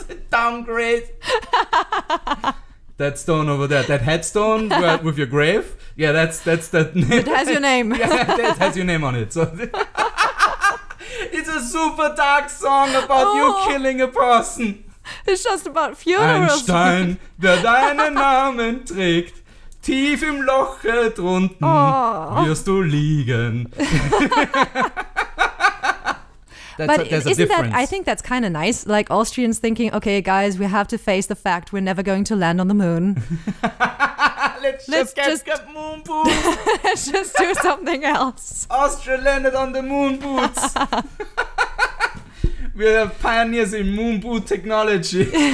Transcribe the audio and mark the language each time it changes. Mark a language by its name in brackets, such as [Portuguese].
[English] Downgrade. That stone over there. That headstone with your grave. Yeah, that's that name. It has your name. Yeah, it has your name on it. So... It's a super dark song about you killing a person. It's just about funerals. [German] Einstein, der deinen Namen trägt, tief im Loch drunten wirst du liegen. [English] I think that's kind of nice. Like Austrians thinking, okay, guys, we have to face the fact we're never going to land on the moon. Let's just get moon boots. Let's just do something else. Austria landed on the moon boots. We are pioneers in moon boot technology.